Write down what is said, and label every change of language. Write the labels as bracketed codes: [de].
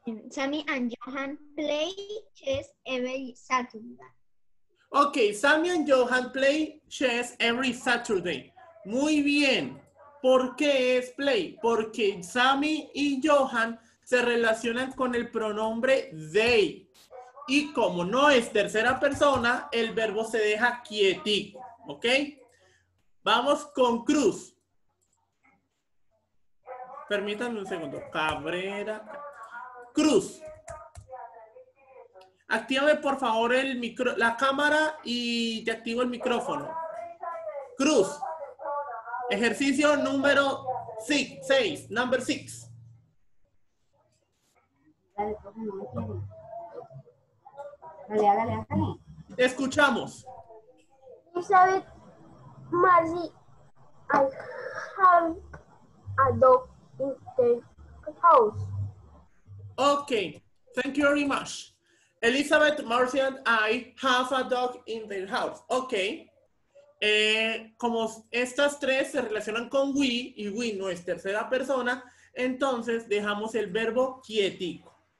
[en] Sammy and Johan play chess every Saturday. Okay, Sammy and Johan play chess every Saturday. [es] Muy bien. ¿Por qué es play? Porque Sammy y Johan se relacionan con el pronombre they. Y como no es tercera persona, el verbo se deja quietico. ¿Ok? Vamos con Cruz. Permítanme un segundo. Cabrera. Cruz. Actívame, por favor, la cámara y te activo el micrófono. Cruz. Ejercicio número 6. [en] Number 6. [es] Dale. Escuchamos. [en] Elizabeth, Marley, I have a dog. in the house. Okay, thank you very much. Elizabeth, Marcy and I have a dog in their house. Okay. [es] Como estas tres se relacionan con we y we no es tercera persona, entonces dejamos el verbo quietico.